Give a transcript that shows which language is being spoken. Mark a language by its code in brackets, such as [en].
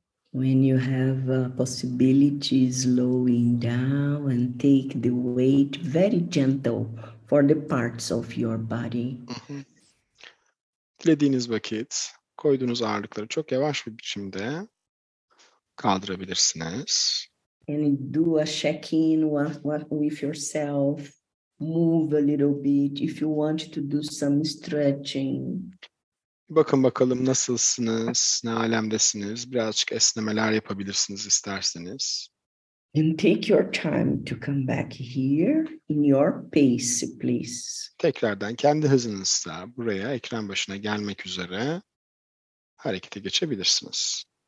[en] When you have a possibility slowing down and take the weight very gentle for the parts of your body. [tr] Dilediğiniz vakit koyduğunuz ağırlıkları çok yavaş bir biçimde kaldırabilirsiniz. [en] And do a check-in with yourself. Move a little bit if you want to do some stretching. [tr] Bakın bakalım nasılsınız, ne alemdesiniz. Birazcık esnemeler yapabilirsiniz isterseniz. [en] And take your time to come back here in your pace, please. [tr] Tekrardan kendi hızınızda buraya ekran başına gelmek üzere harekete geçebilirsiniz.